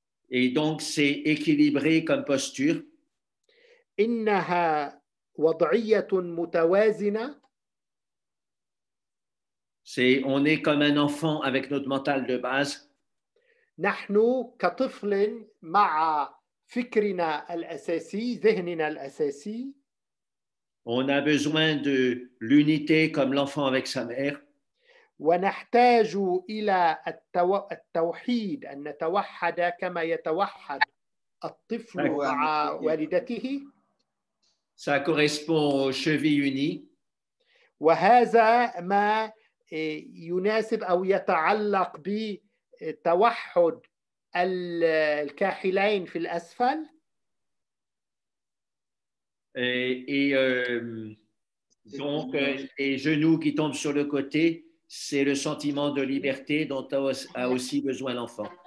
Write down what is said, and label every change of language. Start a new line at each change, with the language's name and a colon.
French: Et donc c'est équilibré comme posture.
Arabic: إنها وضعية متوازنة.
French: C'est on est comme un enfant avec notre mental de base.
Arabic: نحن كطفل مع فكرنا الأساسي ذهننا الأساسي.
French: On a besoin de l'unité comme l'enfant avec sa mère.
Arabic: ونحتاج إلى التوحيد أن نتوحد كما يتوحد الطفل مع والدته.
French: Ça correspond aux chevilles unies.
Arabic: وهذا ما يناسب أو يتعلق ب توحد الكاحلين في الأسفل.
French: Et donc les genoux qui tombent sur le côté c'est le sentiment de liberté dont a aussi besoin l'enfant.